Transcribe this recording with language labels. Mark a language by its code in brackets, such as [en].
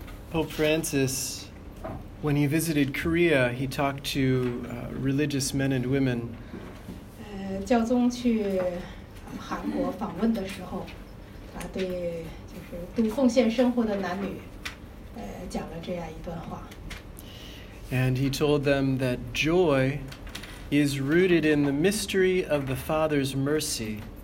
[en] Pope Francis, when he visited Korea, he talked to religious men and women. [zh] 教宗去韩国访问的时候，他对就是度奉献生活的男女，讲了这样一段话。 [en] And he told them that joy is rooted in the mystery of the Father's mercy.